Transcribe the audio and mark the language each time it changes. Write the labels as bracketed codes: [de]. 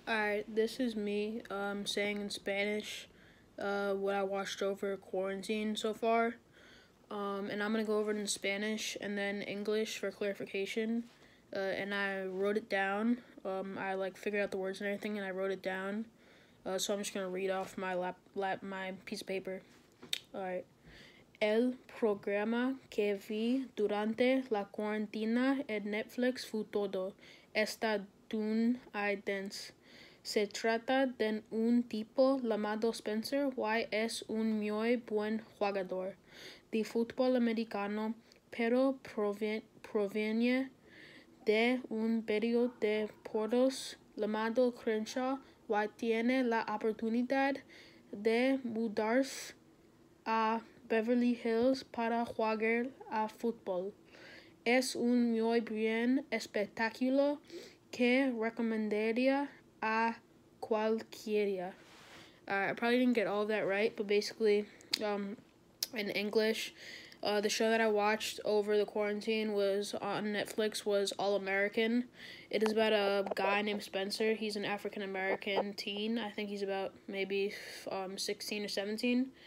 [en] Alright, this is me saying in Spanish what I watched over quarantine so far. And I'm gonna go over it in Spanish and then English for clarification. And I wrote it down. I like figured out the words and everything and I wrote it down. So I'm just gonna read off my my piece of paper. Alright. [es] El programa que vi durante la cuarentena en Netflix fue todo. Esta Dune I Dance. Se trata de un tipo llamado Spencer, y es un muy buen jugador de fútbol americano, pero proviene de un barrio de pobres llamado Crenshaw, y tiene la oportunidad de mudarse a Beverly Hills para jugar a fútbol. Es un muy bien espectáculo que recomendaría a cualquiera. [en] I probably didn't get all that right, but basically, in English, the show that I watched over the quarantine was on Netflix was All American. It is about a guy named Spencer. He's an African American teen. I think he's about maybe 16 or 17.